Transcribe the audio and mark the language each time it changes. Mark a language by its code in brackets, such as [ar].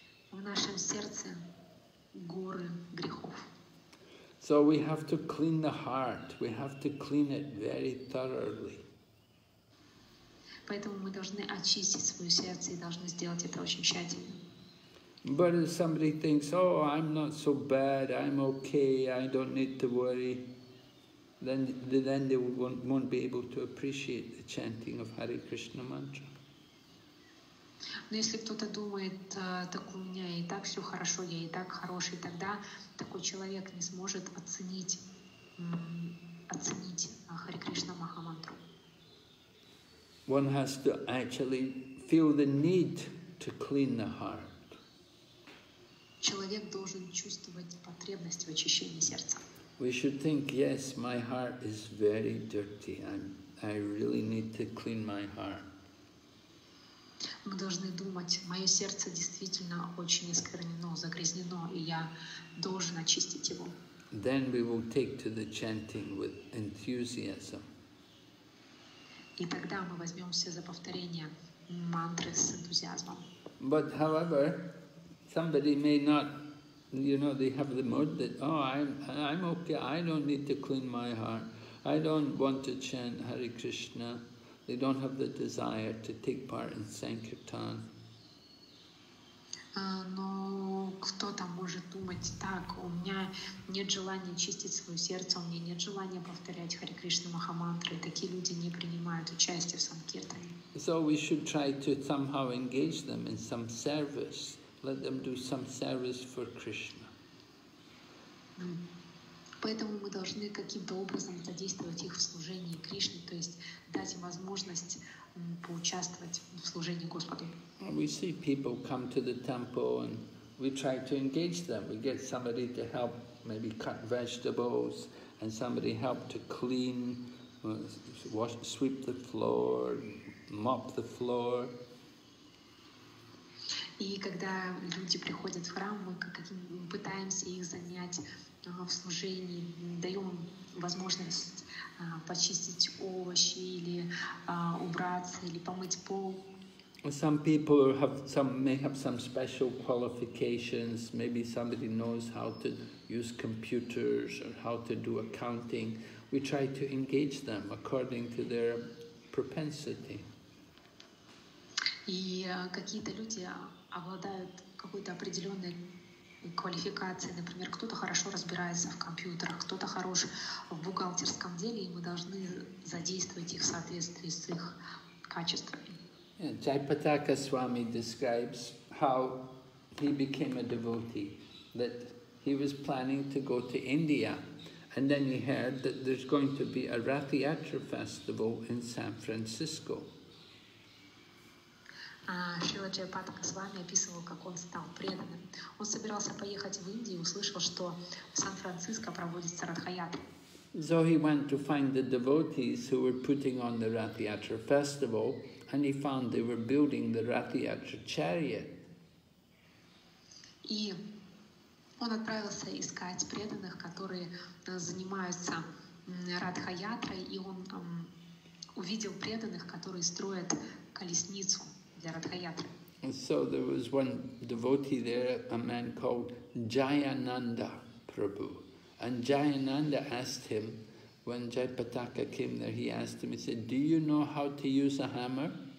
[ru] В нашем сердце горы грехов. [en] So we have to clean the heart. We have to clean it very thoroughly. [ru] Поэтому мы должны очистить свое сердце и должны сделать это очень тщательно. [en] But if somebody thinks, "Oh, I'm not so bad. I'm okay. I don't need to worry," then they won't be able to appreciate the chanting of Hare Krishna mantra. [ru] Но если кто-то думает, так у меня и так все хорошо, я и так хороший, тогда такой человек не сможет оценить Хари Кришна Махамантру. [en] One has to actually feel the need to clean the heart. [ru] Человек должен чувствовать потребность в очищении сердца. [en] We should think, yes, my heart is very dirty. I really need to clean my heart. [ru] мы должны думать, мое сердце действительно очень искоренено, загрязнено, и я должен очистить его. [en] Then we will take to the chanting with enthusiasm. [ru] И тогда мы возьмемся за повторение мантры с энтузиазмом. [en] But however, somebody may not, you know, they have the mood that, oh, I'm okay, I don't need to clean my heart, I don't want to chant Hare Krishna, they don't have the desire to take part in Sankirtan. [ru] Но кто-то может думать, так, у меня нет желания чистить свое сердце, у меня нет желания повторять Hare Krishna Махамантры, такие люди не принимают участие в Санкиртане. [en] So we should try to somehow engage them in some service, let them do some service for Krishna. [ru] Поэтому мы должны каким-то образом задействовать их в служении Кришне, то есть дать им возможность поучаствовать в служении Господу. [en] We see people come to the temple and we try to engage them. We get somebody to help maybe cut vegetables and somebody help to clean, wash, sweep the floor, mop the floor. [ru] И когда люди приходят в храм, мы пытаемся их занять в служении, даем им возможность почистить овощи или убраться или помыть пол. [en] Some people have some may have some special qualifications. Maybe somebody knows how to use computers or how to do accounting. We try to engage them according to their propensity. [ru] И какие-то люди обладают какой-то определенной квалификацией. Например, кто-то хорошо разбирается в компьютерах, кто-то хорош в бухгалтерском деле, и мы должны задействовать их в соответствии с их качествами. [en] Jaipataka Swami describes how he became a devotee, that he was planning to go to India, and then he heard that there's going to be a Rath Yatra festival in San Francisco. [ru] Шрила Джайпатака Свами описывал, как он стал преданным. Он собирался поехать в Индию и услышал, что в Сан-Франциско проводится Радхаятра. [en] So he went to find the devotees who were putting on the Rath Yatra festival, and he found they were building the Rath Yatra chariot. [ru] И он отправился искать преданных, которые занимаются Радхаятрой, и он увидел преданных, которые строят колесницу. [en] And so there was one devotee there, a man called Jayananda Prabhu. And Jayananda asked him, when Jaipataka came there, he asked him, he said, do you know how to use a hammer?